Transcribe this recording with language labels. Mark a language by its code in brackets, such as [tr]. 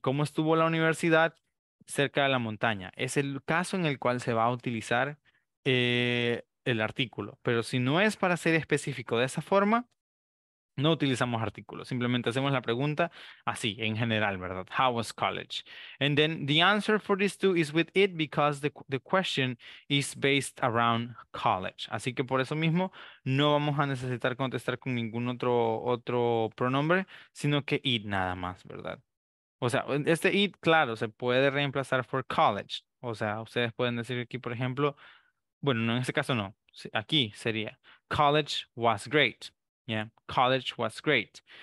[es] ¿Cómo estuvo la universidad cerca de la montaña? Es el caso en el cual se va a utilizar el artículo, pero si no es para ser específico de esa forma, no utilizamos artículo, simplemente hacemos la pregunta así, en general, ¿verdad? [en] How was college? And then the answer for these two is with it because the question is based around college. [es] Así que por eso mismo no vamos a necesitar contestar con ningún otro pronombre, sino que it nada más, ¿verdad? O sea, este it, claro, se puede reemplazar por college. O sea, ustedes pueden decir aquí, por ejemplo, bueno, no, en este caso no. Aquí sería, [en] college was great. Yeah, college was great.